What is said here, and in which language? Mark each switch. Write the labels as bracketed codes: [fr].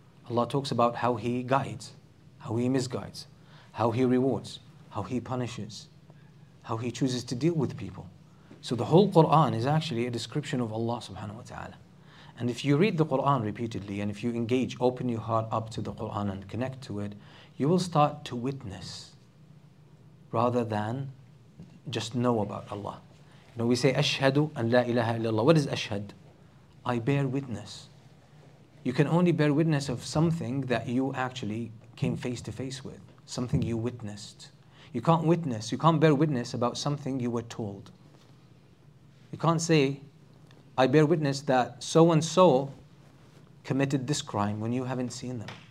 [en] Allah talks about how he guides, how he misguides, how he rewards, how he punishes, how he chooses to deal with people. So the whole Quran is actually a description of Allah subhanahu wa ta'ala. And if you read the Qur'an repeatedly, and if you engage, open your heart up to the Qur'an and connect to it, you will start to witness rather than just know about Allah. You know, we say, [ar] أشهد أن لا إله إلا الله. [en] What is أشهد? I bear witness. You can only bear witness of something that you actually came face to face with, something you witnessed. You can't bear witness about something you were told. You can't say, I bear witness that so-and-so committed this crime when you haven't seen them.